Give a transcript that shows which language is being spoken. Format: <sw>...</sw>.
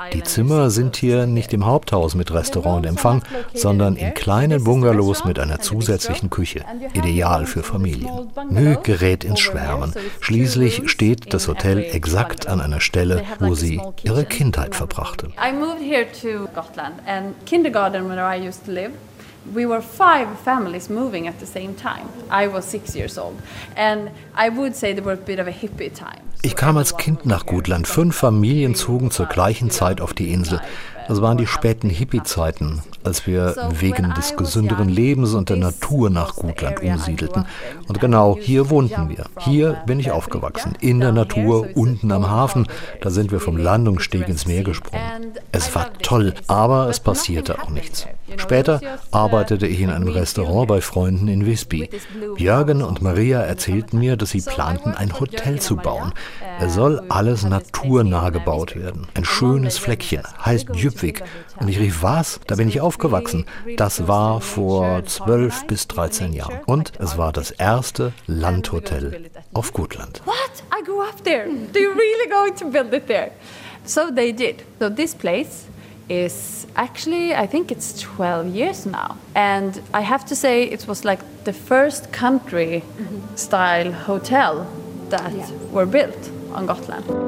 <de>Die Zimmer sind hier nicht im Haupthaus mit Restaurant und Empfang, sondern in kleinen Bungalows mit einer zusätzlichen Küche. Ideal für Familien. My gerät ins Schwärmen. Schließlich steht das Hotel exakt an einer Stelle, wo sie ihre Kindheit verbrachte.</de> <en>I moved here to Gotland and kindergarten where I used to live. We were five families moving at the same time. I was 6 years old and I would say there were a bit of a hippie time.</en> <de>Ich kam als Kind nach Gotland. Fünf Familien zogen zur gleichen Zeit auf die Insel. Das waren die späten Hippie-Zeiten, als wir wegen des gesünderen Lebens und der Natur nach Gotland umsiedelten. Und genau hier wohnten wir. Hier bin ich aufgewachsen, in der Natur, unten am Hafen. Da sind wir vom Landungssteg ins Meer gesprungen. Es war toll, aber es passierte auch nichts. Später arbeitete ich in einem Restaurant bei Freunden in Visby. Jürgen und Maria erzählten mir, dass sie planten, ein Hotel zu bauen. Es soll alles naturnah gebaut werden. Ein schönes Fleckchen, heißt Jöpvik. Und ich rief, was? Da bin ich aufgewachsen. Das war vor 12 bis 13 Jahren. Und es war das erste Landhotel auf Gotland.</de> <en>What? I grew up there. Do you really going to build it there? So they did. So this place is actually, I think it's 12 years now. And I have to say, it was like the first country style hotel that were built on Gotland.</en>